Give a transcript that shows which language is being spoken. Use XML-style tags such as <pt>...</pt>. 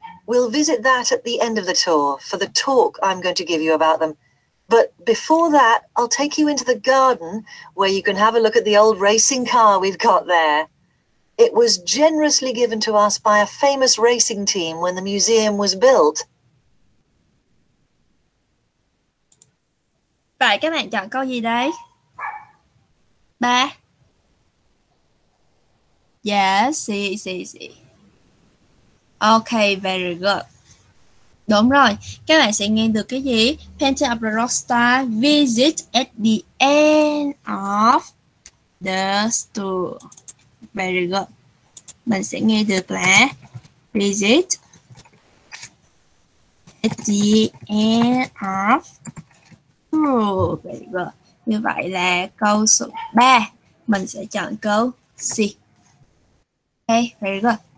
<en>We'll visit that at the end of the tour for the talk I'm going to give you about them. But before that, I'll take you into the garden where you can have a look at the old racing car we've got there. It was generously given to us by a famous racing team when the museum was built.</en> <vi>Vậy các bạn chọn câu gì đây? Ba.</vi> <en>Yes, easy. Okay, very good.</en> <vi>Đúng rồi. Các bạn sẽ nghe được cái gì?</vi> <en>Painting of the rockstar visit at the end of the store. Very good.</en> <vi>Mình sẽ nghe được là</vi> <en>visit at the end of oh, very good.</en> <vi>Như vậy là câu số 3. Mình sẽ chọn câu C.</vi> <en>Ok, very good.</en>